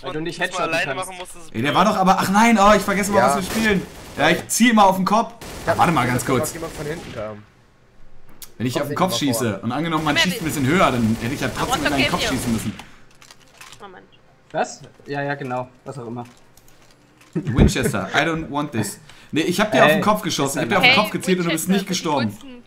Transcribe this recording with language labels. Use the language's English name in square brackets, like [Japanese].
[German] du nicht hättest alleine machen musstest. Ey, der war doch aber. Ach nein, oh, ich vergesse immer, was wir spielen. Ja, ich zieh immer auf den Kopf. Ja, warte mal ganz kurz. Wenn ich auf den Kopf schieße und angenommen, man schießt ein bisschen höher, dann hätte ich ja trotzdem in deinen Kopf schießen müssen. Moment. Was? Ja, genau. Was auch immer. [English] Winchester, I don't want this. [German] Nee, ich hab dir auf den Kopf geschossen, ich hab dir auf den Kopf gezielt Winchester, und du bist nicht gestorben.